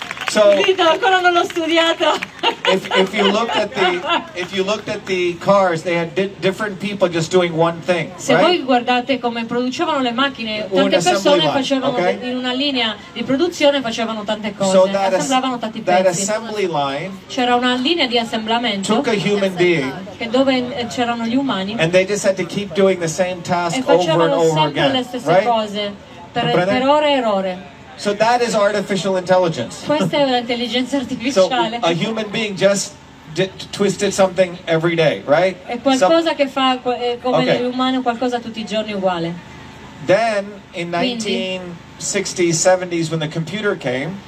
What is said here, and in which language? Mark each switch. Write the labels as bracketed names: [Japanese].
[English] So, if you looked at the cars, they had different people just doing one thing. [Italian] Se [English] right? [Italian] Voi guardate come producevano le macchine, tante persone facevano [English] okay? [Italian] In una linea di produzione facevano tante cose, [English] so [Italian] assemblavano tanti [English] that [Italian] pezzi. [English] Assembly line [Italian] c'era una linea di assemblamento. [English] Took a human being, [Italian] che dove c'erano gli umani. [English] And they just had to keep doing the same task over and over again. [Italian] E facevano sempre le stesse [English] right? [Italian] Cose per ore e ore. [English] So that is artificial intelligence. [Italian] Questa è l'intelligenza artificiale. [English] So a human being just twisted something every day, right? [Italian] È qualcosa che fa come l'umano qualcosa tutti i giorni uguale. [English] Then in 1960s, 70s when the computer came.